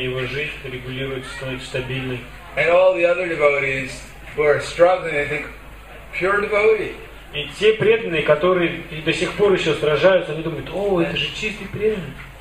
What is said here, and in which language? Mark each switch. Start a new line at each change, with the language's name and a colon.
Russian: Его жизнь регулируется, становится стабильной.
English: And all the other devotees who are struggling, they think, pure devotee.
Russian: И те преданные, которые до сих пор еще сражаются, они думают: о, это же чистый преданный.